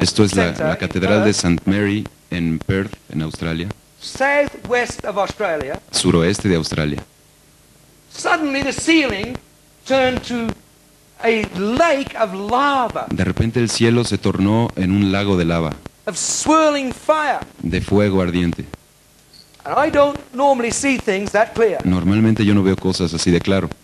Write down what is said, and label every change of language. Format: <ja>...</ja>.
<es>esto es la Catedral de St. Mary en Perth, en Australia,</es> <en>southwest of Australia,</en> <es>suroeste de Australia,</es> <en>suddenly the ceiling turned to a lake of lava.</en> <es>De repente el cielo se tornó en un lago de lava.</es> <en>Of swirling fire.</en> <es>De fuego ardiente.</es> <en>And I don't normally see things that clear.</en> <es>Normalmente yo no veo cosas así de claro.</es>